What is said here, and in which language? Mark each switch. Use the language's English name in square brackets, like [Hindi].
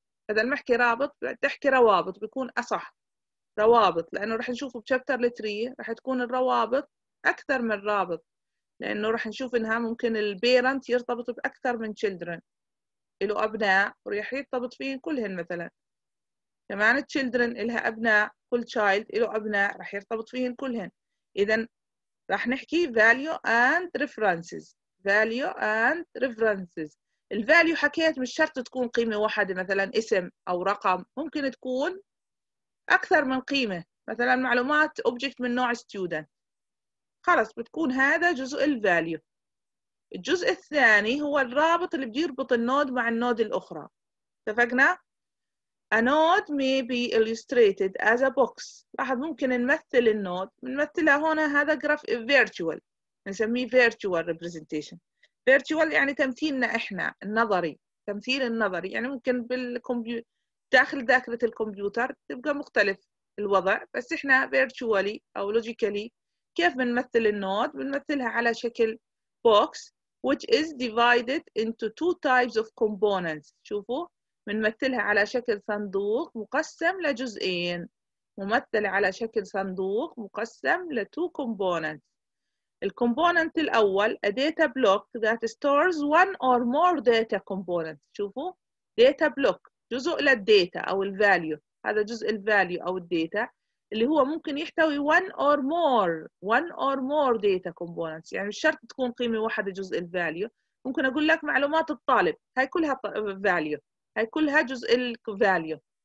[Arabic] هذا المحكي رابط تحكي روابط بيكون أصح، روابط، لأنه رح نشوفه بشابتر 3 رح تكون الروابط أكثر من رابط، لأنه رح نشوف إنها ممكن البيرنت يرتبط بأكثر من children. له أبناء وراح يرتبط فيهم كلهن مثلا. كمان تشيلدرن إلها أبناء، كل تشايلد له أبناء راح يرتبط فيهم كلهن. إذا راح نحكي [English] value and references، value and references. [Arabic] الفاليو حكيت مش شرط تكون قيمة واحدة، مثلا اسم أو رقم، ممكن تكون أكثر من قيمة، مثلا معلومات object من نوع student، خلاص بتكون هذا جزء الفاليو. الجزء الثاني هو الرابط اللي بيربط النود مع النود الأخرى، اتفقنا؟ [English] A node may be illustrated as a box، [Arabic] لاحظ ممكن نمثل النود، بنمثلها هنا هذا جراف virtual، نسميه virtual representation. فيرتشوال يعني تمثيلنا احنا النظري، تمثيل النظري يعني ممكن بالكمبيوتر داخل ذاكرة الكمبيوتر تبقى مختلف الوضع، بس احنا فيرتشوالي او لوجيكالي كيف بنمثل النود؟ بنمثلها على شكل بوكس [English] which is divided into two types of components. [Arabic] شوفوا بنمثلها على شكل صندوق مقسم لجزئين، ممثل على شكل صندوق مقسم ل two components. الكومبوننت الأول [English] a data block that stores one or more data components. [Arabic] شوفوا [English] data block [Arabic] جزء للداتا أو الفاليو، هذا جزء الفاليو أو الداتا اللي هو ممكن يحتوي [English] one or more data components، [Arabic] يعني مش شرط تكون قيمة واحدة جزء الفاليو، ممكن أقول لك معلومات الطالب هاي كلها فاليو، هاي كلها جزء الفاليو.